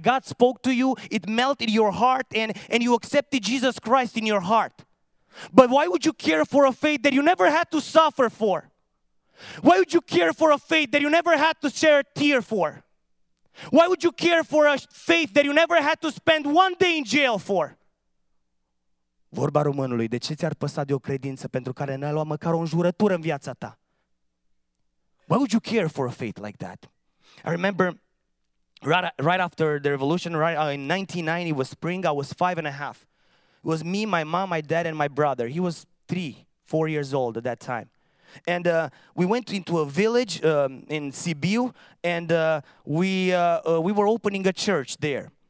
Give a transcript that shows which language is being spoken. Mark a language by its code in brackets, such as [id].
[en] God spoke to you, it melted your heart, and you accepted Jesus Christ in your heart. But why would you care for a faith that you never had to suffer for? Why would you care for a faith that you never had to share a tear for? Why would you care for a faith that you never had to spend one day in jail for? [ro] Vorba românului, de ce ți-ar păsa de o credință pentru care n-ai luat măcar o înjurătură în viața ta? [en] Why would you care for a faith like that? I remember right after the revolution, right in 1990, it was spring, I was 5 and a half. It was me, my mom, my dad, and my brother. He was 3, 4 years old at that time. And we went into a village in Sibiu, and we were opening a church there.